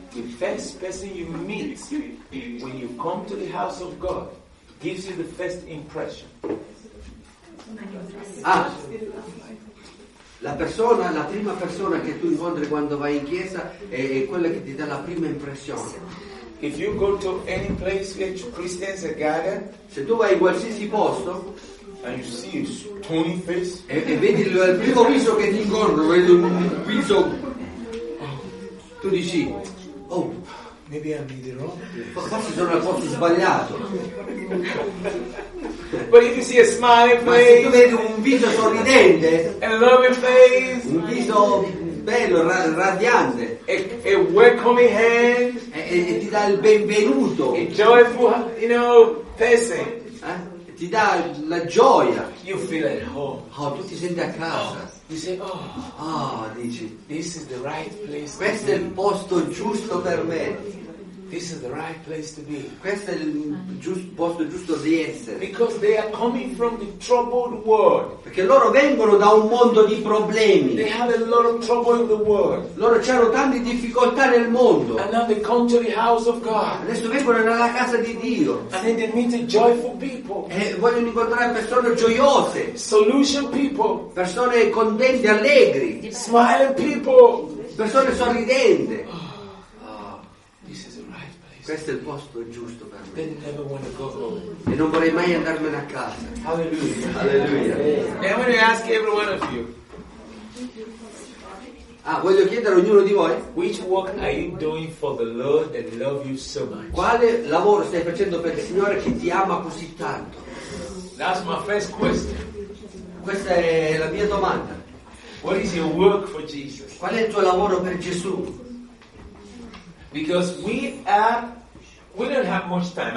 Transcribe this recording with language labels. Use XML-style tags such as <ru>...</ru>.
<en>The first person you meet when you come to the house of God gives you the first impression. Ah.</en> <it>La prima persona che tu incontri quando vai in chiesa è quella che ti dà la prima impressione.</it> <en>If you go to any place which Christians are gathered,</en> <it>se tu vai in qualsiasi posto</it> <en>and you see a stony face,</en> <it>e vedi il primo viso che ti incontro, vedi un viso, tu dici, oh,</it> <en>maybe I'm in the wrong</en> <it>place. Forse sono al posto sbagliato.</it> <en>But if you see a smiling face,</en> <it>ma se tu vedi un viso sorridente,</it> <en>a loving face,</en> <it>un viso bello, radiante,</it> <en>a welcoming hand,</en> <it>e ti dà il benvenuto,</it> <en>a joyful, you know, person,</en> <it>ti dà la gioia,</it> <en>you feel at home.</en> <it>Oh, tu ti senti a casa.</it> <en>You say, oh,</en> <it>ah, dici,</it> <en>this is the right place.</en> <it>Questo è il posto giusto per me.</it> <en>This is the right place to be.</en> <it>Questo è il posto giusto di essere.</it> <en>Because they are coming from the troubled world.</en> <it>Perché loro vengono da un mondo di problemi.</it> <en>They have a lot of trouble in the world.</en> <it>Loro c'hanno tante difficoltà nel mondo.</it> <en>And now they come to the house of God.</en> <it>Adesso vengono nella casa di Dio.</it> <en>And then they meet joyful people.</en> <it>E vogliono incontrare persone gioiose.</it> <en>Solution people.</en> <it>Persone contenti, allegri.</it> <en>Smiling people.</en> <it>Persone sorridenti. Questo è il posto giusto per me.</it> <en>They never want to go home.</en> <it>E non vorrei mai andarmene a casa.</it> <en>Hallelujah. Hallelujah. And I want to ask every one of you.</en> <it>Ah, voglio chiedere a ognuno di voi.</it> <en>Which work are you doing for the Lord that loves you so much?</en> <it>Quale lavoro stai facendo per il Signore che ti ama così tanto?</it> <en>That's my first question.</en> <it>Questa è la mia domanda.</it> <en>What is your work for Jesus?</en> <it>Qual è il tuo lavoro per Gesù?</it> <en>Because we are We don't have much time.</en>